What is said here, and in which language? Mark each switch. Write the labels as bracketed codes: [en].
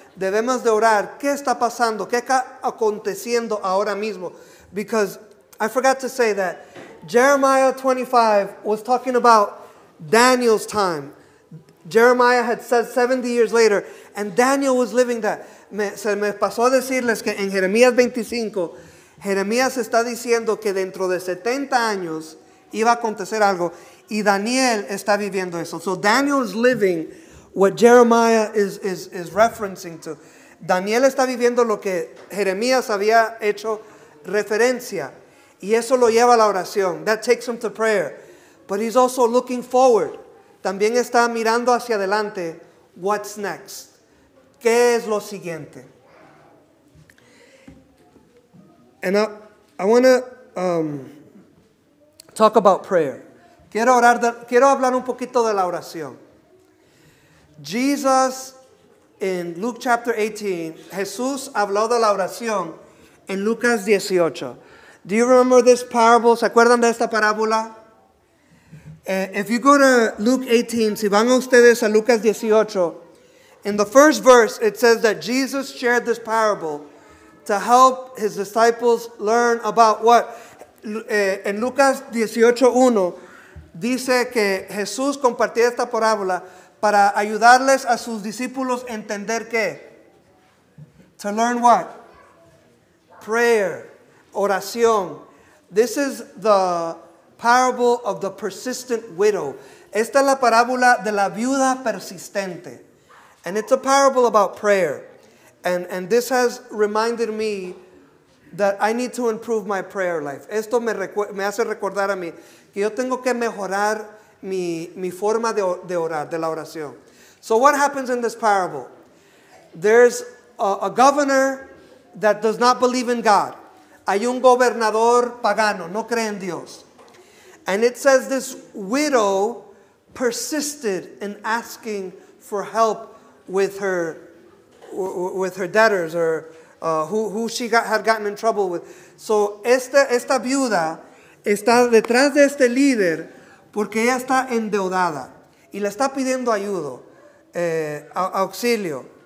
[es] Debemos de orar. ¿Qué está pasando? ¿Qué está aconteciendo ahora mismo? [en] Because I forgot to say that Jeremiah 25 was talking about Daniel's time. Jeremiah had said 70 years later, and Daniel was living that. [es] Se me pasó a decirles que en Jeremías 25, Jeremías está diciendo que dentro de 70 años iba a acontecer algo, y Daniel está viviendo eso. [en] So Daniel is living what Jeremiah is referencing to. [es] Daniel está viviendo lo que Jeremías había hecho referencia. Y eso lo lleva a la oración. [en] That takes him to prayer. But he's also looking forward. [es] También está mirando hacia adelante. [en] What's next? [es] ¿Qué es lo siguiente? [en] And I want to talk about prayer. [es] Quiero hablar un poquito de la oración. [en] Jesus, in Luke chapter 18, [es] Jesús habló de la oración en Lucas 18. [en] Do you remember this parable? [es] ¿Se acuerdan de esta parábola? [en] If you go to Luke 18, [es] si van ustedes a Lucas 18, [en] in the first verse, it says that Jesus shared this parable to help his disciples learn about what? [es] En Lucas 18:1, dice que Jesús compartió esta parábola para ayudarles a sus discípulos a entender qué. [en] To learn what? Prayer. [es] Oración. [en] This is the parable of the persistent widow. [es] Esta es la parábola de la viuda persistente. [en] And it's a parable about prayer. And this has reminded me that I need to improve my prayer life. [es] Esto me hace recordar a mí que yo tengo que mejorar mi forma de orar, de la oración. [en] So what happens in this parable? There's a governor that does not believe in God. [es] Hay un gobernador pagano, no cree en Dios. [en] And it says this widow persisted in asking for help with her debtors or who she had gotten in trouble with. [es] So esta viuda está detrás de este líder porque ella está endeudada y le está pidiendo ayuda, auxilio.